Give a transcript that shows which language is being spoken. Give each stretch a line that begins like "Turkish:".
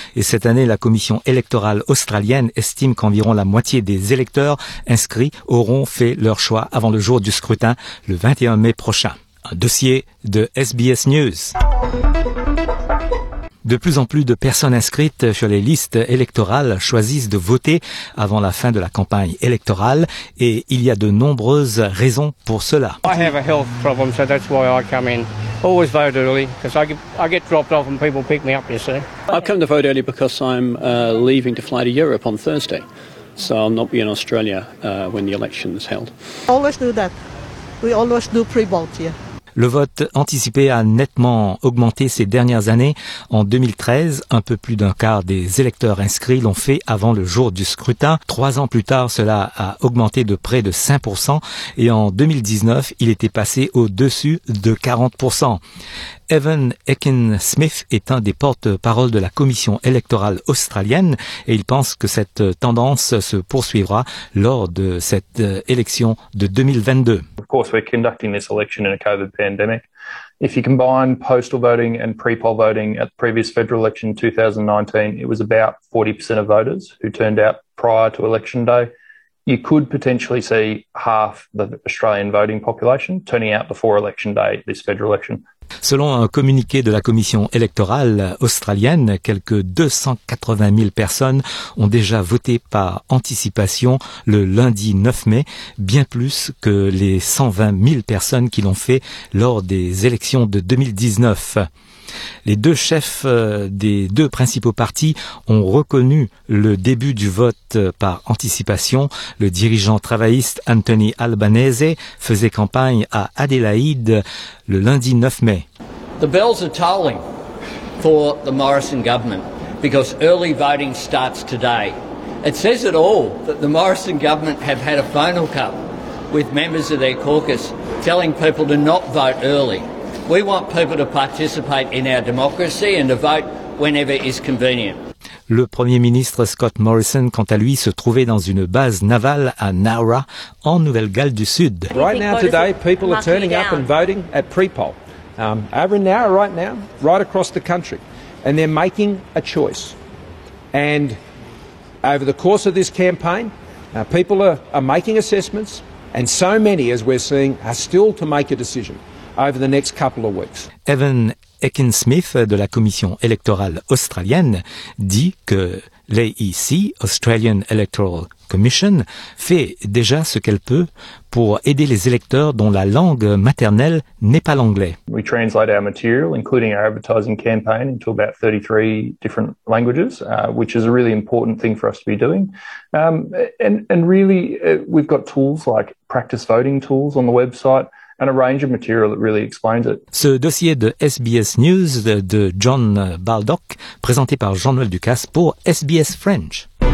French: Et cette année, la commission électorale australienne estime qu'environ la moitié des électeurs inscrits auront fait leur choix avant le jour du scrutin le 21 mai prochain. Un dossier de SBS News. De plus en plus de personnes inscrites sur les listes électorales choisissent de voter avant la fin de la campagne électorale et il y a de nombreuses raisons pour cela.
English: I have a health problem, so that's why I come in. Always vote early because I get dropped off and people pick me up, you see. I've come to vote early because I'm leaving to fly to Europe on Thursday. So I'll not be in Australia when the election is held. Always do that. We always do pre-vote here.
French: Le vote anticipé a nettement augmenté ces dernières années. En 2013, un peu plus d'un quart des électeurs inscrits l'ont fait avant le jour du scrutin. Trois ans plus tard, cela a augmenté de près de 5%. Et en 2019, il était passé au-dessus de 40%. Evan Akin-Smith est un des porte-parole de la commission électorale australienne et il pense que cette tendance se poursuivra lors de cette élection de 2022.
English: Of course, we're conducting this election in a COVID pandemic. If you combine postal voting and pre-poll voting at the previous federal election 2019, it was about 40% of voters who turned out prior to election day. You could potentially see half the Australian voting population turning out before election day this federal election.
French: Selon un communiqué de la commission électorale australienne, quelques 280 000 personnes ont déjà voté par anticipation le lundi 9 mai, bien plus que les 120 000 personnes qui l'ont fait lors des élections de 2019. Les deux chefs des deux principaux partis ont reconnu le début du vote par anticipation. Le dirigeant travailliste Anthony Albanese faisait campagne à Adélaïde le lundi 9 mai.
English: The bells are tolling for the Morrison government because early voting starts today. It says it all that the Morrison government have had a phone hookup with members of their caucus telling people to not vote early. We want people to participate in our democracy and to vote whenever is convenient.
French: Le Premier ministre Scott Morrison, quant à lui, se trouvait dans une base navale à Nowra, en Nouvelle-Galles du Sud.
English: Right now today, people are turning up and voting at pre-poll. Over in Nowra right now, right across the country. And they're making a choice. And over the course of this campaign, people are making assessments, and so many, as we're seeing, are still to make a decision over the next couple of weeks.
French: Evan Eakin-Smith de la Commission électorale australienne dit que l'AEC, Australian Electoral Commission, fait déjà ce qu'elle peut pour aider les électeurs dont la langue maternelle n'est pas l'anglais.
English: We translate our material, including our advertising campaign, into about 33 different languages, which is a really important thing for us to be doing. And really, we've got tools like practice voting tools on the website, and a range of material that really explains it.
French: Ce dossier de SBS News de John Baldock, présenté par Jean-Noël Ducasse pour SBS French.